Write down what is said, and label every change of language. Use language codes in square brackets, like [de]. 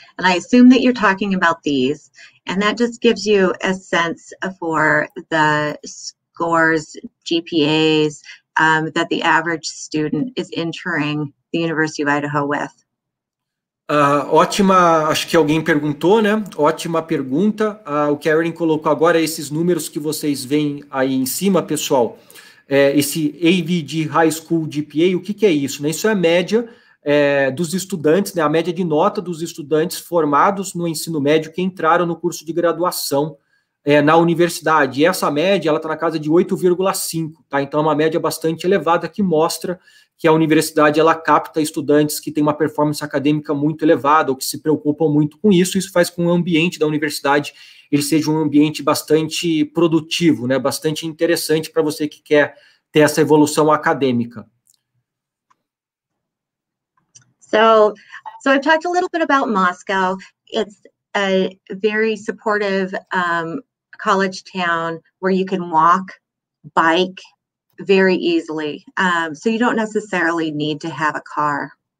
[en] And I assume that you're talking about these. And that just gives you a sense for the scores, GPAs, that the average student is entering the University of Idaho with. [pt] Ótima, acho que alguém perguntou, né? Ótima pergunta. O Karen colocou agora esses números que vocês veem aí em cima, pessoal. Esse AVG High School GPA, o que, que é isso? Né? Isso é a média dos estudantes, né? A média de nota dos estudantes formados no ensino médio que entraram no curso de graduação na universidade. E essa média, ela está na casa de 8,5, tá? Então, é uma média bastante elevada que mostra que a universidade, ela capta estudantes que têm uma performance acadêmica muito elevada ou que se preocupam muito com isso. Isso faz com que o ambiente da universidade, ele seja um ambiente bastante produtivo, né? Bastante interessante para você que quer ter essa evolução acadêmica. [en] So I've talked a little bit about Moscow. It's a very supportive college town where you can walk, bike, very easily. So you don't necessarily need to have a car.